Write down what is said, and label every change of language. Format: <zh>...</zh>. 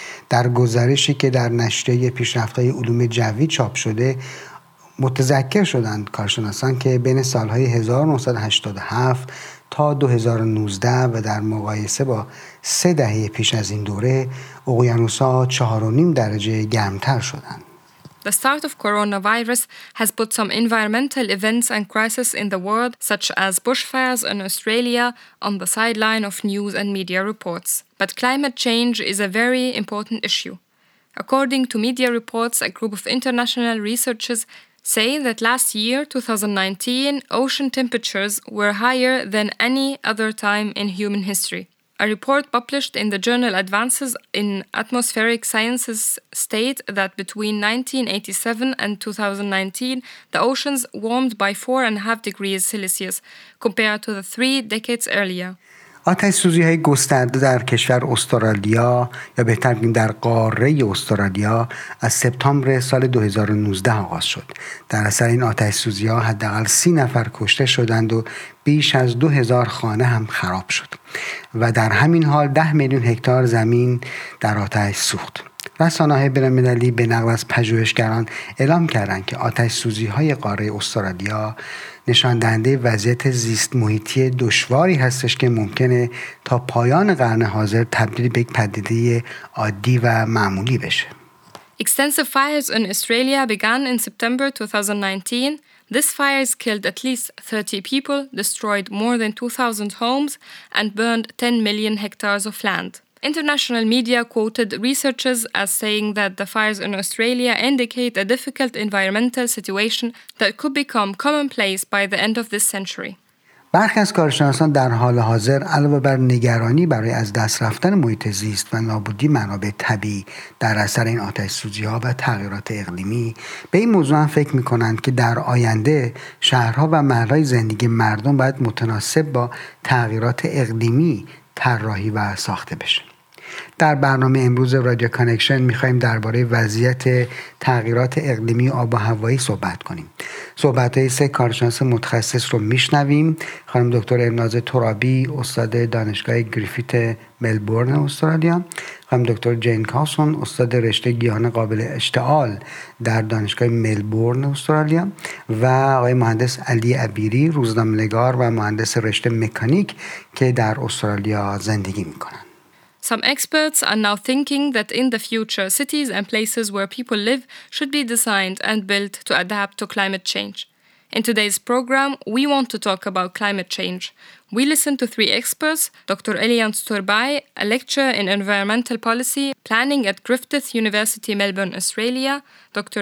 <fa>در گزارشی که در نشریه پیشرفت‌های علوم جوی چاپ شده متذکر شدند کارشناسان که بین سالهای 1987 تا 2019 و در مقایسه با سه دهه پیش از این دوره اقیانوس‌ها 4.5 درجه گرم‌تر شدند.</fa> <en>The start of coronavirus has put some environmental events and crises in the world, such as bushfires in Australia, on the sideline of news and media reports. But climate change is a very important issue. According to media reports, a group of international researchers say that last year, 2019, ocean temperatures were higher than any other time in human history. A report published in the journal Advances in Atmospheric Sciences state that between 1987 and 2019, the oceans warmed by 4.5 degrees Celsius compared to the 3 decades earlier.</en> <fa>آتش سوزی های گسترده در کشور استرالیا یا بهتر بگیم در قاره استرالیا از سپتامبر سال 2019 آغاز شد. در اثر این آتش سوزی ها حداقل 30 نفر کشته شدند و بیش از 2000 خانه هم خراب شد و در همین حال 10 میلیون هکتار زمین در آتش سوخت. رسانه های بین‌المللی به نقل از پژوهشگران اعلام کردند که آتش سوزی های قاره استرالیا نشان دهنده وضعیت زیست محیطی دشواری هستش که ممکنه تا پایان قرن حاضر تبدیل به یک پدیده عادی و معمولی بشه.</fa> <en>Extensive fires in Australia began in September 2019. These fires killed at least 30 people, destroyed more than 2000 homes and burned 10 million hectares of land. International media quoted researchers as saying that the fires in Australia indicate a difficult environmental situation that could become commonplace by the end of this century.</en> <fa>برخی از کارشناسان در حال حاضر علاوه بر نگرانی برای از دست رفتن محیط زیست و نابودی منابع طبیعی در اثر این آتش سوزی ها و تغییرات اقلیمی به این موضوع هم فکر می کنند که در آینده شهرها و محلهای زندگی مردم باید متناسب با تغییرات اقلیمی طراحی و ساخته بشه. در برنامه امروز رادیو کانکشن می‌خوایم درباره وضعیت تغییرات اقلیمی آب و هوایی صحبت کنیم. صحبت‌های سه کارشناس متخصص رو می‌شنویم. خانم دکتر الناز ترابی، استاد دانشگاه گریفیت ملبورن استرالیا، خانم دکتر جین کاسون، استاد رشته گیاهان قابل اشتعال در دانشگاه ملبورن استرالیا، و آقای مهندس علی عبیری، روزنامه‌نگار و مهندس رشته مکانیک که در استرالیا زندگی می‌کنند.</fa> <en>Some experts are now thinking that in the future, cities and places where people live should be designed and built to adapt to climate change. In today's program, we want to talk about climate change. We listened to three experts, Dr. Elian Sturbay, a lecturer in environmental policy planning at Griffith University, Melbourne, Australia, Dr.</en>